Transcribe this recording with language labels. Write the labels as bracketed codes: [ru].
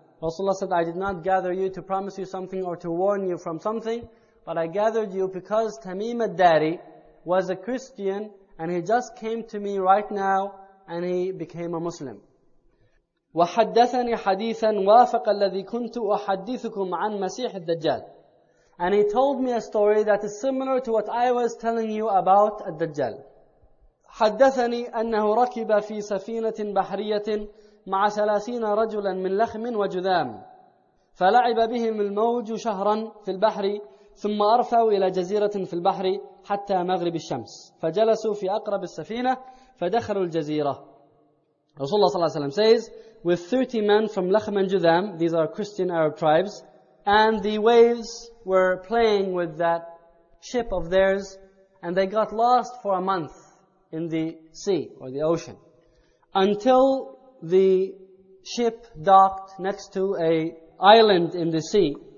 [en] Rasulullah said, I did not gather you to promise you something or to warn you from something, but I gathered you because Tamim al-Dari was a Christian and he just came to me right now and he became a Muslim. [ar] وَحَدَّثَنِي حَدِيثًا وَافَقَ الَّذِي كُنْتُ أُحَدِّثُكُمْ عَنْ مَسِيحِ الدَّجَّالِ. [en] And he told me a story that is similar to what I was telling you about al-Dajjal. [ar] حَدَّثَنِي أَنَّهُ رَكِبَ فِي سَفِينَةٍ بَحْرِيَةٍ مَعَ 30 رَجُلًا مِنْ لَخْمٍ وَجُذَامٍ فَلَعِبَ بِهِمُ الْمَوْجُ شَهْرًا فِي الْبَحْرِ ثم أرفعوا إلى جزيرة في البحر حتى مغرب الشمس فجلسوا في أقرب السفينة فدخلوا الجزيرة. [en] Rasulullah صلى الله عليه وسلم says, with 30 men from Lakhm and Judham, these are Christian Arab tribes, and the waves were playing with that ship of theirs, and they got lost for a month in the sea or the ocean, until the ship docked next to an island in the sea.